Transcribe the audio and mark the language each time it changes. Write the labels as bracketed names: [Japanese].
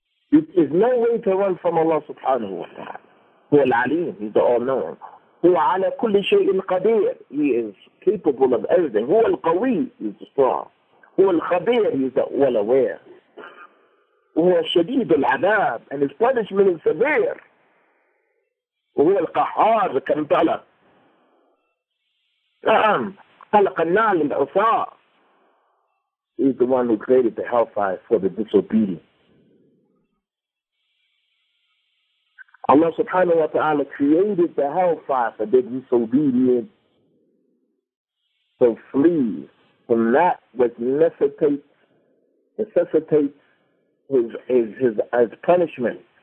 [English] There is no way to run from Allah subhanahu wa ta'ala. [Arabic] Huwa al-alim, [English] he's the all-knowing. [Arabic] Huwa ala kulli shay'in qadir, [English] he is capable of everything. [Arabic] Huwa al-qawi, [English] he's the strong. [Arabic] Huwa al-khabir, [English] he's the well-aware. [Arabic] Huwa shadeed al-adab, [English] and his punishment is severe. [Arabic] وهو القحار كمثلا نعم خلق النار للعصاة. [English] He's the one who created the hellfire for the disobedient. Allah [Arabic] سبحانه وتعالى [English] created the hellfire for the disobedient. So flee from that which necessitates his punishment.